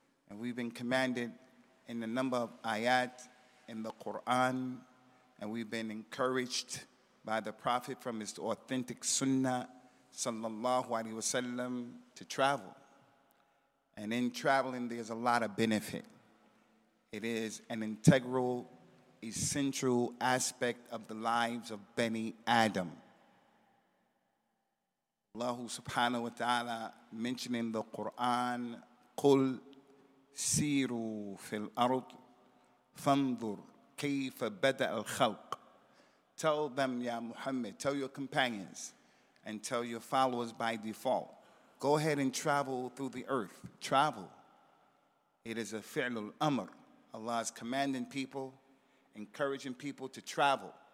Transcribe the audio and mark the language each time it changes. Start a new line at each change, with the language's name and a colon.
English: And we've been commanded in a number of ayat in the Quran, and we've been encouraged by the Prophet from his authentic sunnah, sallallahu alayhi wa sallam, to travel. And in traveling, there's a lot of benefit. It is an integral, essential aspect of the lives of Bani Adam. Allah subhanahu wa ta'ala mentioning the Quran,
Arabic: قُلْ سِيرُوا فِي الْأَرْضِ فَانْظُرْ كَيْفَ بَدَأَ الْخَلْقِ.
English: Tell them, Ya Muhammad, tell your companions, and tell your followers by default, go ahead and travel through the earth. Travel. It is a fi'lul amr. Allah is commanding people, encouraging people to travel.